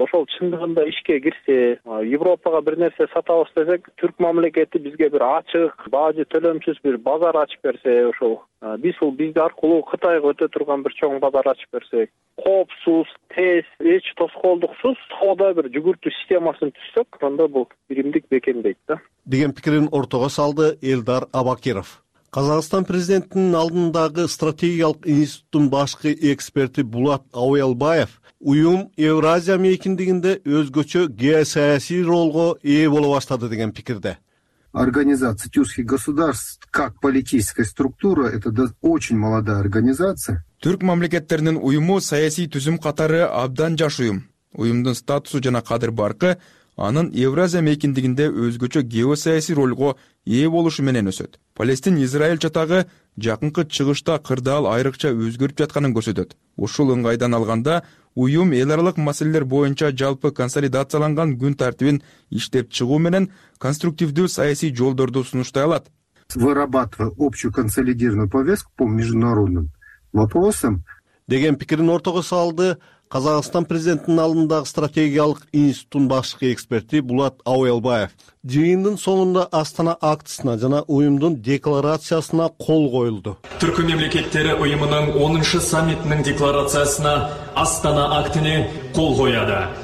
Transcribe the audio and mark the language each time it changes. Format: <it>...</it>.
<ky>Ошол чындыгында ишке кирсе, Европага бир нерсе сатабыз десек, түрк мамлекети бизге бир ачык, баажы төлөмсүз бир базар ачып берсе, ошол биз бул бизди аркылуу Кытайга өтө турган бир чоң базар ачып берсек, коопсуз, тез, эч тоскоолдуксуз соода бир жүгүртүү системасын түзсөк, анда бул биримдик бекемдейт да. Деген пикирин ортого салды Элдар Абакиров. Казакстан президентинин алдындагы стратегиялык институттун башкы эксперти Булат Ауялбаев уюм Евразия мейкиндигинде өзгөчө геосаясий ролго ээ боло баштады деген пикирде.</ky> <ru>Организация тюркских государств как политическая структура это очень молодая организация.</ru> <ky>Түрк мамлекеттеринин уюму саясий түзүм катары абдан жаш уюм. Уюмдун статусу жана кадыр баркы анын Евразия мейкиндигинде өзгөчө геосаясий ролго ээ болушу менен өсөт. Палестин Израиль чатагы жакынкы чыгышта кырдаал айрыкча өзгөрүп жатканын көрсөтөт. Ушул ыңгайдан алганда уюм эл аралык маселелер боюнча жалпы консолидацияланган күн тартибин иштеп чыгуу менен конструктивдүү саясий жолдорду сунуштай алат.</ky> <ru>Вырабатывая общую консолидированную повестку по международным вопросам</ru> <ky>деген пикирин ортого салды Казакстан президентинин алдындагы стратегиялык институттун башкы эксперти Булат Ауялбаев. Жыйындын соңунда Астана актысына жана уюмдун декларациясына кол коюлду. Түрк мамлекеттери уюмунун 10-шы саммитинин декларациясына Астана актыны кол коюлду.</ky>